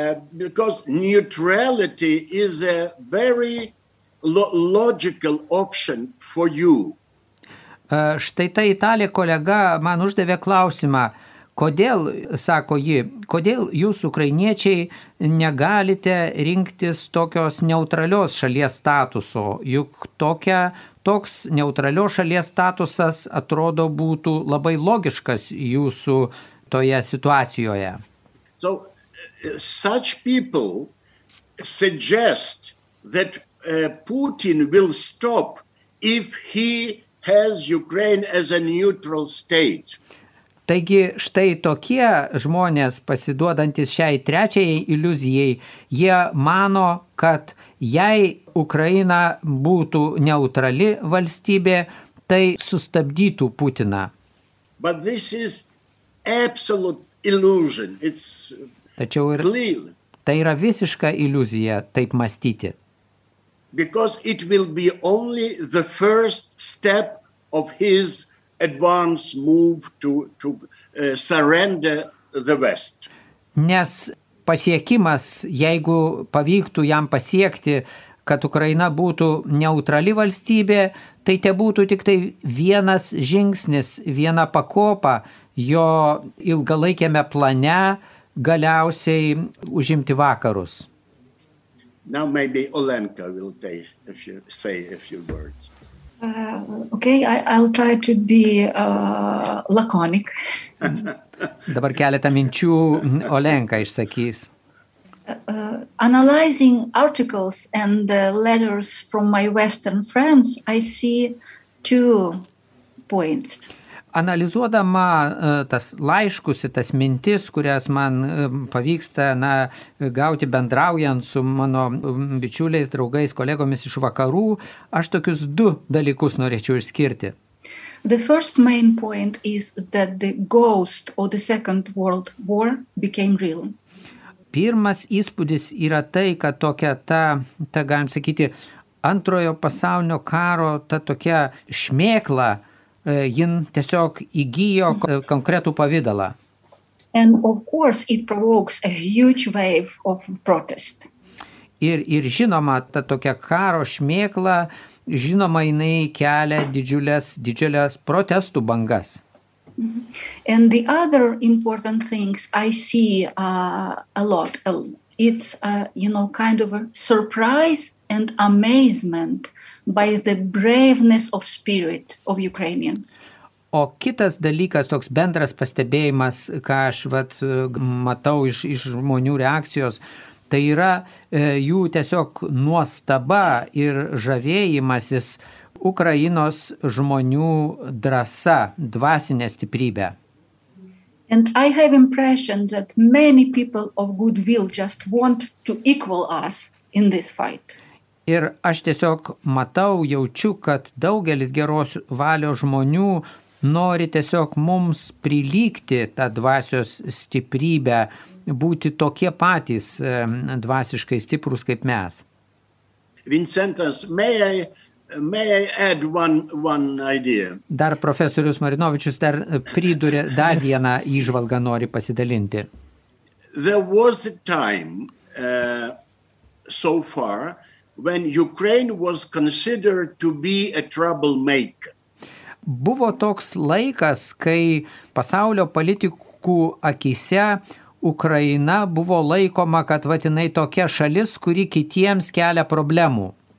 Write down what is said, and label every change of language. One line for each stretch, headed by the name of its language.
English: Because neutrality is a very logical option for you.
Lithuanian: Štai ta italė kolega man uždavė klausimą, kodėl, sako ji, kodėl jūs ukrainiečiai negalite rinktis tokios neutralios šalies statuso, juk toks neutralios šalies statusas atrodo būtų labai logiškas jūsų toje situacijoje.
English: So, such people suggest that Putin will stop if he has Ukraine as a neutral state.
Lithuanian: Taigi štai tokie žmonės pasiduodantis šiai trečiai iliuzijai, jie mano, kad jei Ukraina būtų neutrali valstybė, tai sustabdytų Putiną.
English: But this is absolute illusion. It's
Lithuanian: Tačiau ir tai yra visiška iliuzija taip mąstyti.
English: Because it will be only the first step of his advance move to surrender the West.
Lithuanian: Nes pasiekimas, jeigu pavyktų jam pasiekti, kad Ukraina būtų neutrali valstybė, tai te būtų tik tai vienas žingsnis, viena pakopa jo ilgalaikiame plane galiausiai užimti vakarus.
English: Now maybe Olenka will say a few words. Okay, I'll try to be laconic.
Lithuanian: Dabar keletą minčių Olenka išsakys.
English: Analyzing articles and letters from my Western friends, I see two points.
Lithuanian: Analizuodama tas laiškus ir tas mintis, kurias man pavyksta gauti bendraujant su mano bičiuliais, draugais, kolegomis iš vakarų, aš tokius du dalykus norėčiau išskirti.
English: The first main point is that the ghost of the Second World War became real.
Lithuanian: Pirmas įspūdis yra tai, kad tokia ta galim sakyti, antrojo pasaulinio karo ta tokia šmėkla, jin tiesiog įgyjo konkretų pavidalą.
English: And of course it provokes a huge wave of protest.
Lithuanian: Ir žinoma, ta tokia karo šmėkla, žinoma, jinai kelia didžiulės protestų bangas.
English: And the other important things I see a lot, it's kind of a surprise and amazement by the braveness of spirit of Ukrainians.
Lithuanian: O kitas dalykas, toks bendras pastebėjimas, ką aš vat matau iš žmonių reakcijos, tai yra jų tiesiog nuostaba ir žavėjimasis Ukrainos žmonių drąsa, dvasinė stiprybė.
English: And I have impression that many people of goodwill just want to equal us in this fight.
Lithuanian: Ir aš tiesiog matau, jaučiu, kad daugelis geros valios žmonių nori tiesiog mums prilygti tą dvasios stiprybę, būti tokie patys dvasiškai stiprus kaip mes.
English: Vincentas, may I add one idea?
Lithuanian: Dar profesorius Marinovičius dar priduria dar vieną įžvalgą nori pasidalinti.
English: There was a time so far when Ukraine was considered to be a troublemaker.
Lithuanian: Buvo toks laikas, kai pasaulio politikų akise Ukraina buvo laikoma, kad vat jinai tokia šalis, kuri kitiems kelia problemų.